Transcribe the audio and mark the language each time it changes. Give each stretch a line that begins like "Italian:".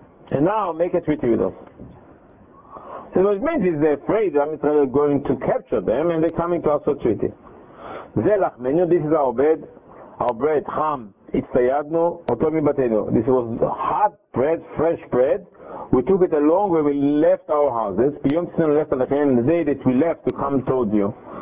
English: And now, make a treaty with us. So what it means is they're afraid that Israel is going to capture them, and they're coming to us for treaty.
Hebrew: זה לחמנו,
English: this is our bread,
Hebrew: חם, הצטיידנו, אותו מבתנו.
English: This was hot bread, fresh bread. We took it along when we left our houses,
Hebrew: ביום צנינו
English: left on the day that we left to come towards you.